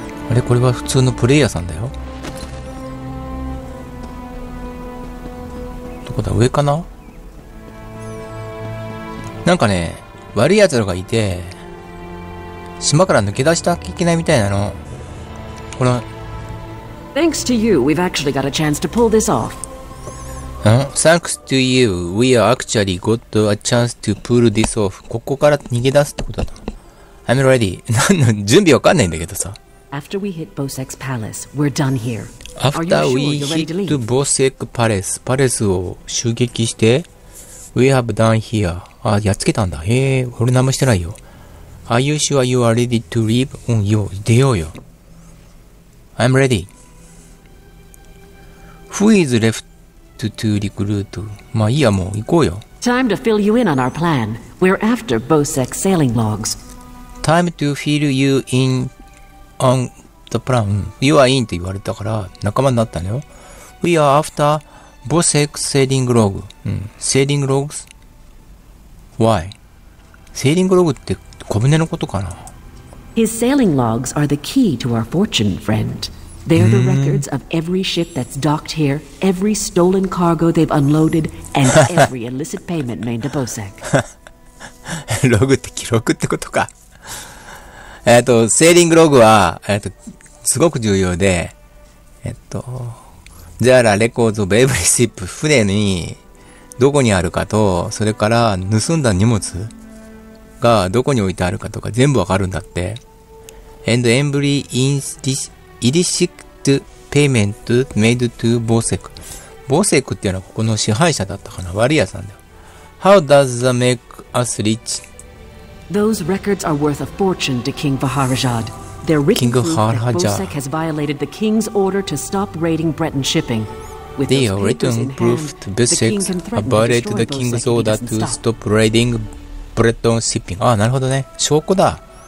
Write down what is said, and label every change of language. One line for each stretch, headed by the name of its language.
Japanese: あれ、これは普通のプレイヤーさんだよ。どこだ、上かな？なんかね、悪い奴らがいて、島から抜け出したきゃいけないみたいなの。この。
English: Thanks to you, we've actually got a chance to pull this off. Thanks to you, we are actually got a chance to pull this off.
Japanese: ここから逃げ出すってことだ。
English: I'm ready.
Japanese: 準備わかんないんだけどさ。
English: After we hit Bosek's palace, we're done here. After we hit Bosek Palace,
Japanese: パレスを襲撃して、
English: we have done here.
Japanese: あ、やっつけたんだ。へえ、俺何もしてないよ。
English: Are you sure you are ready to leave?
Japanese: うん、よ、出ようよ。
English: I'm ready. Who is left to recruit?
Japanese: まあいいや、もう行こうよ。
English: Time to fill you in on our plan. We're after Bosek sailing logs. Time to fill you in on the plan. You are in
Japanese: って言われたから仲間になったのよ。
English: We are after Bosek sailing log.
Japanese: うん、
English: sailing logs? Why? Sailing log
Japanese: って小舟のことかな。
English: His sailing logs are the key to our fortune, friend. They're the records of every ship that's docked here, every stolen cargo they've unloaded, and every illicit payment made to Bosek.
Japanese: ログって記録ってことか。セーリングログは、すごく重要で、ジャーラレコードベイブリシップ、船にどこにあるかと、それから盗んだ荷物がどこに置いてあるかとか全部わかるんだって。
English: And every illicit payment made to Bosek。
Japanese: Bosek っていうのはここの支配者だったかな、悪い屋さんだよ。
English: How does that make us rich? Those records are worth a fortune to King Vaharajad. They're written proof that Bosek has violated the king's order to stop raiding Breton shipping. With those papers in hand, the king can threaten to destroy Bosek. Bosek violated the king's order to stop raiding ブレットンシッピング。
Japanese: ああ、なるほどね。証拠だ。